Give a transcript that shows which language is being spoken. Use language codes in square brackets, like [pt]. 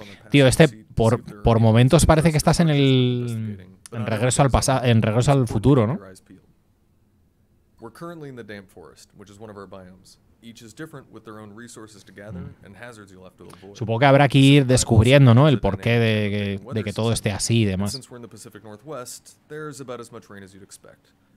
[es] Tío, este por momentos parece que estás en el regreso al futuro, ¿no? [en] We're currently in the damp forest, which is one of our biomes. Each is different with their own resources to gather and hazards you'll have to avoid. [es] Supongo que habrá que ir descubriendo, ¿no? El porqué de que todo esté así y demás. [en] Since we're in the Pacific Northwest, there's about as much rain as you'd expect.